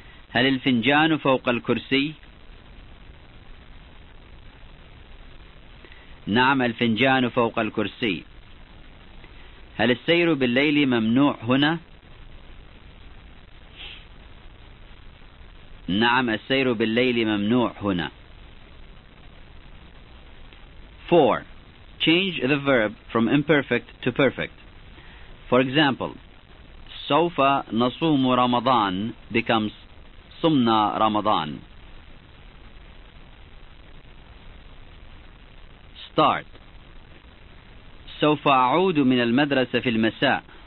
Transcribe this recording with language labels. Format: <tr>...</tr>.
<ar>هل الفنجان فوق الكرسي؟ نعم الفنجان فوق الكرسي. هل السير بالليل ممنوع هنا؟ نعم السير بالليل ممنوع هنا.</ar> <en>4. Change the verb from imperfect to perfect. For example,</en> <ar>سوف نصوم رمضان</ar> <en>becomes</en> <ar>صمنا رمضان.</ar> <en>Start.</en> <ar>سوف أعود من المدرسة في المساء.</ar>